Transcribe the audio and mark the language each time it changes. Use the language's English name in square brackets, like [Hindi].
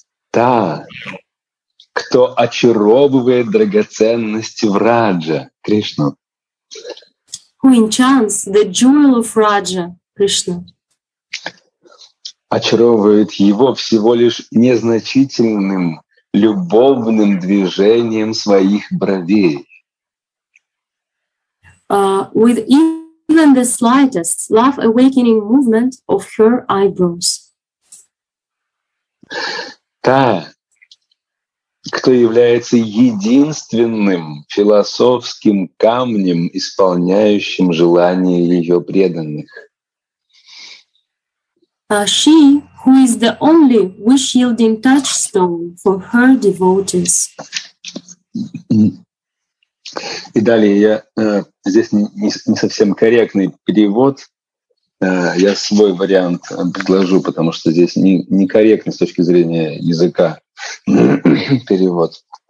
[Russian] Та, кто очаровывает драгоценности в Раджа, Кришну. [English] Who enchants the jewel of Raja, Krishna. [Russian] Очаровывает его всего лишь незначительным любовным движением своих бровей. [English] With even the slightest love-awakening movement of her eyebrows. [Russian] Та, кто является единственным философским камнем, исполняющим желания ее преданных. [English] She, who is the only wish-yielding touchstone for her devotees. [Russian] И далее я здесь не совсем корректный перевод. Я свой вариант предложу, потому что здесь не корректный с точки зрения языка перевод.